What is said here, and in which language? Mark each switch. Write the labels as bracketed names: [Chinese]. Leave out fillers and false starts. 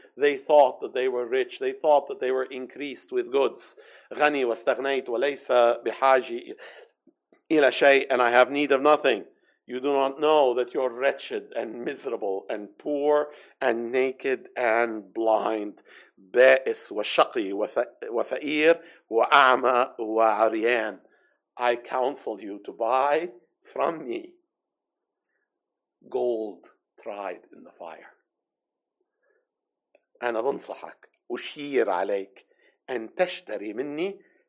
[English] They thought that they were rich. They thought that they were increased with goods. [Arabic] غني واستغنيت وليس بحاجة إلى شيء, [English] and I have need of nothing. You do not know that you're wretched and miserable and poor and naked and blind. [Arabic] بائس وشقي وفقير وأعمى وعريان. [English] I counsel you to buy from me gold tried in the fire. [Arabic] أنا بنصحك أشير عليك أن تشتري مني